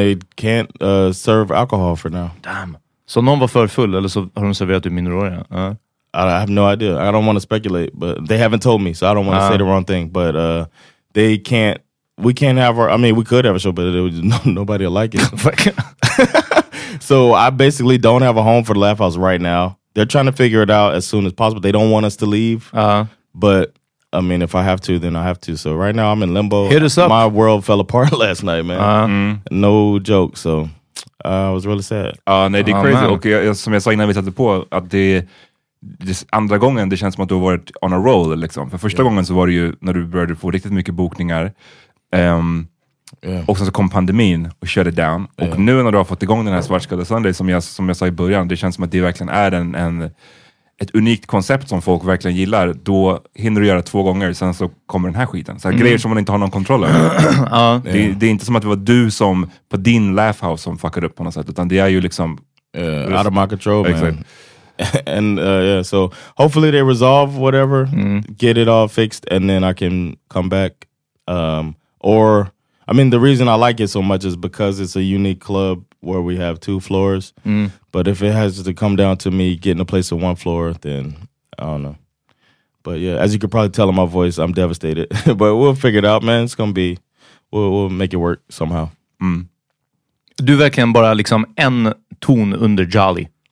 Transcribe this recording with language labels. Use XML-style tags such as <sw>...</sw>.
<en>they can't serve alcohol for now. Damn.</en> <sv>Så någon var för full eller så har de serverat ut minderåriga?</sv> <en>I have no idea. I don't want to speculate, but they haven't told me, so I don't want to say the wrong thing. But they can't. We can't have our. I mean, we could have a show, but nobody will like it. So I basically don't have a home for the Laugh House right now. They're trying to figure it out as soon as possible. They don't want us to leave. But I mean, if I have to, then I have to. So right now I'm in limbo. Hit us up. My world fell apart last night, man. No joke. So I was really sad.</en> <sv>Nej, det är crazy. Man. Och som jag sa innan vi satte på, att det andra gången det känns som att du har varit</sv> <en>on a roll.</en> <sv>Liksom. För första gången så var det ju när du började få riktigt mycket bokningar. Och sen så kom pandemin och</sv> <en>shut it down.</en> <sv>Och nu när du har fått igång den här Svartskada Sunday, som jag sa i början, det känns som att det verkligen är ett unikt koncept som folk verkligen gillar, då hinner du göra två gånger, sen så kommer den här skiten. Så här, grejer som man inte har någon kontroll över. Det är inte som att det var du som på din Laugh House som fuckade upp på något sätt, utan det är ju liksom</sv> <en>out of my control, man. Exactly. And yeah, so hopefully they resolve whatever, get it all fixed, and then I can come back. Or I mean, the reason I like it so much is because it's a unique club where we have two floors. But if it has to come down to me getting a place on one floor, then I don't know. But yeah, as you could probably tell in my voice, I'm devastated. But we'll figure it out, man. It's going to be we'll make it work somehow. Mm.</en> <sv>Du är verkligen bara liksom en ton under Jolly.</sv>